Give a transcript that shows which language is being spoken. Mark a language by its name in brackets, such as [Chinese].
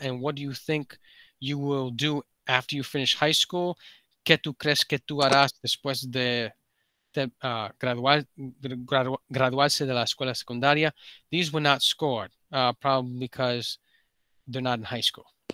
[English] And what do you think you will do after you finish high school? [Spanish] ¿Qué tú crees que tú harás después de graduarse de la escuela secundaria? [English] These were not scored, probably because they're not in high school.